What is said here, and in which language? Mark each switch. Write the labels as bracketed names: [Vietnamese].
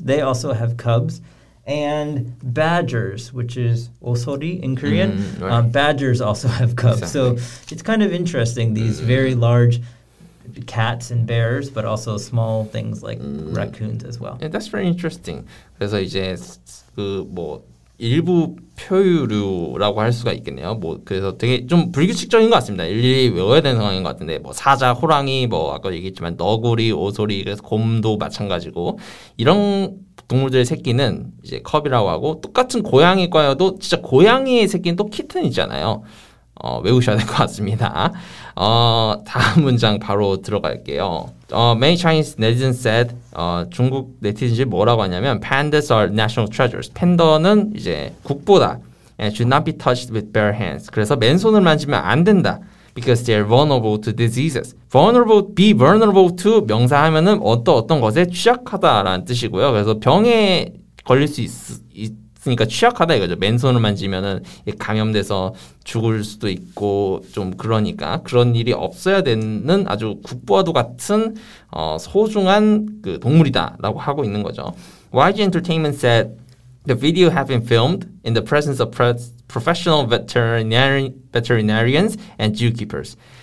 [English] They also have cubs. And badgers, which is osori in Korean, badgers also have cubs. Exactly. So it's kind of interesting, these very large cats and bears, but also small things like raccoons as well. Yeah, that's very interesting. [Korean] 그래서 이제 그 뭐 일부 표류라고 할 수가 있겠네요. 뭐 그래서 되게 좀 불규칙적인 것 같습니다. 일일이 외워야 되는 상황인 것 같은데 뭐 사자, 호랑이, 뭐 아까 얘기했지만 너구리, 오소리, 그래서 곰도 마찬가지고 이런 동물들의 새끼는 이제 컵이라고 하고 똑같은 고양이과여도 진짜 고양이의 새끼는 또 키튼이잖아요. 외우셔야 될 것 같습니다. 다음 문장 바로 들어갈게요. [English] Many Chinese netizens said, [Korean] 중국 네티즌이 뭐라고 하냐면, [English] Pandas are national treasures. [Korean] 팬더는 이제 국보다. [English] And should not be touched with bare hands. [Korean] 그래서 맨손을 만지면 안 된다. [English] Because they're vulnerable to diseases. Vulnerable, be vulnerable to [Korean] 명사하면은 어떤 것에 취약하다라는 뜻이고요. 그래서 병에 걸릴 수 있으니까 취약하다 이거죠. 맨손을 만지면은 감염돼서 죽을 수도 있고 좀 그러니까 그런 일이 없어야 되는 아주 국보와도 같은 소중한 그 동물이다라고 하고 있는 거죠. [English] YG Entertainment said the video had been filmed in the presence of professional veterinarians and zookeepers.